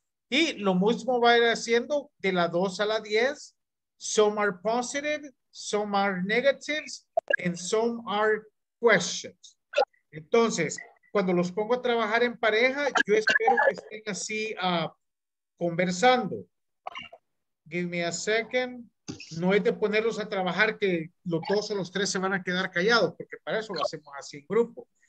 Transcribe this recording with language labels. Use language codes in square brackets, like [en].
[es] Y lo mismo va a ir haciendo de la 2 a la 10. [en] Some are positive, some are negatives, and some are questions. [es] Entonces, cuando los pongo a trabajar en pareja, yo espero que estén así conversando. [en] Give me a second. [es] No es de ponerlos a trabajar que los dos o los tres se van a quedar callados, porque para eso lo hacemos así en grupo.